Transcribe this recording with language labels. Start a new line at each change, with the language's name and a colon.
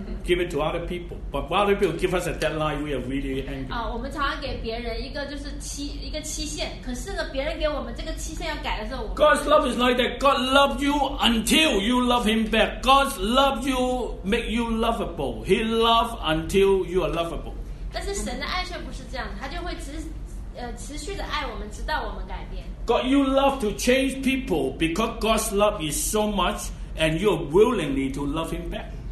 English: Give it to other people, but other people give us a deadline, we are really angry.
Chinese: 我们常常给别人一个期限，可是呢，别人给我们这个期限要改的时候，我们
English: God's love is like that. God loves you until you love Him back. God loves you, make you lovable. He loves until you are lovable.
Chinese: 但是神的爱却不是这样，他就会持续的爱我们，直到我们改变。
English: God, you love to change people because God's love is so much, and you are willingly to love Him back.